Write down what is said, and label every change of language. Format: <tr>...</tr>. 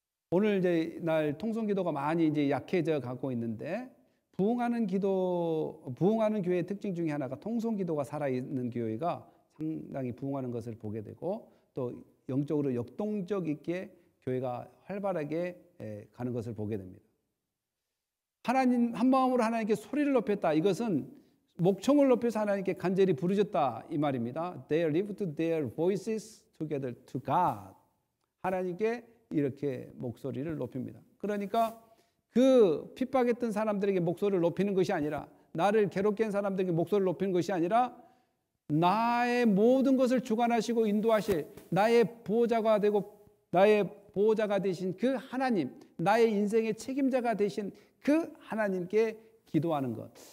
<ko>오늘날 통송기도가 많이 이제 약해져 가고 있는데 부흥하는 교회의 특징 중에 하나가 통송기도가 살아있는 교회가 상당히 부흥하는 것을 보게 되고 또 영적으로 역동적 있게 교회가 활발하게 가는 것을 보게 됩니다. 하나님 한마음으로 하나님께 소리를 높였다. 이것은 목청을 높여서 하나님께 간절히 부르셨다 이 말입니다.</ko> <en>They lift their voices together to God.</en> <ko>하나님께 이렇게 목소리를 높입니다. 그러니까 그 핍박했던 사람들에게 목소리를 높이는 것이 아니라 나를 괴롭게 한 사람들에게 목소리를 높이는 것이 아니라 나의 모든 것을 주관하시고 인도하실 나의 보호자가 되고 나의 보호자가 되신 그 하나님, 나의 인생의 책임자가 되신 그 하나님께 기도하는 것.</ko>